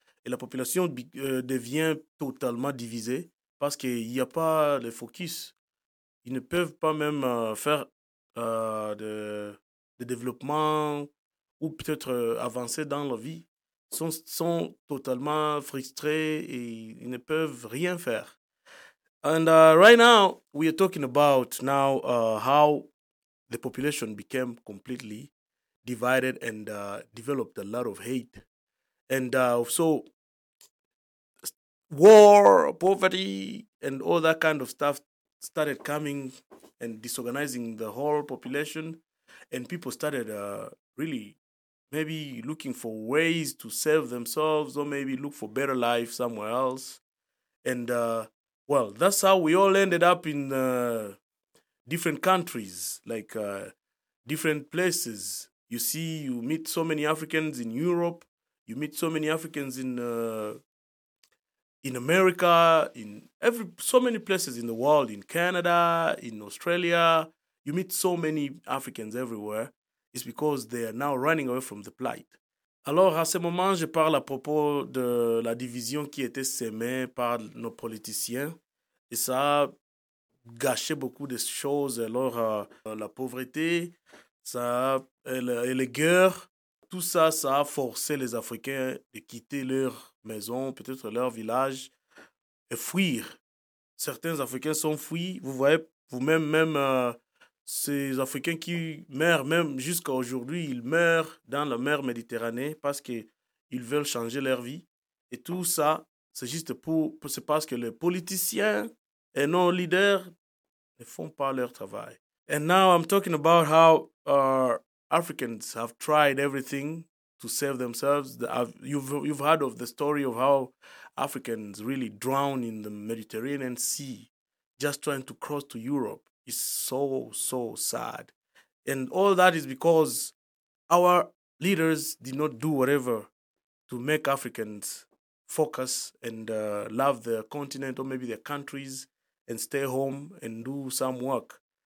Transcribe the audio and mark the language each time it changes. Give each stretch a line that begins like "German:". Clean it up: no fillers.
French: Et la population devient totalement divisée parce qu'il n'y a pas le focus. Ils ne peuvent pas même faire de développement ou peut-être avancer dans la vie. Sont totalement frustrés et ils ne peuvent rien faire.
English: And right now, we are talking about now how the population became completely divided and developed a lot of hate. And so, war, poverty, and all that kind of stuff started coming and disorganizing the whole population. And people started really maybe looking for ways to save themselves or maybe look for better life somewhere else. And well, that's how we all ended up in different countries, like different places. You see, you meet so many Africans in Europe. You meet so many Africans in America, in so many places in the world, in Canada, in Australia. You meet so many Africans everywhere. It's because they are now running away from the plight.
French: Alors, à ce moment, je parle à propos de la division qui était semée par nos politiciens. Et ça a gâché beaucoup de choses. Alors, la pauvreté, ça et les guerres, tout ça, ça a forcé les Africains de quitter leur maison, peut-être leur village, et fuir. Certains Africains sont fuis. Vous voyez, vous-même, même ces Africains qui meurent, même jusqu'à aujourd'hui, ils meurent dans la mer Méditerranée parce qu'ils veulent changer leur vie. Et tout ça, c'est juste c'est parce que les politiciens et nos leaders ne font pas leur travail.
English: And now I'm talking about how Africans have tried everything to save themselves. You've heard of the story of how Africans really drown in the Mediterranean Sea, just trying to cross to Europe. It's so, so sad. And all that is because our leaders did not do whatever to make Africans focus and love their continent or maybe their countries and stay home and do some work.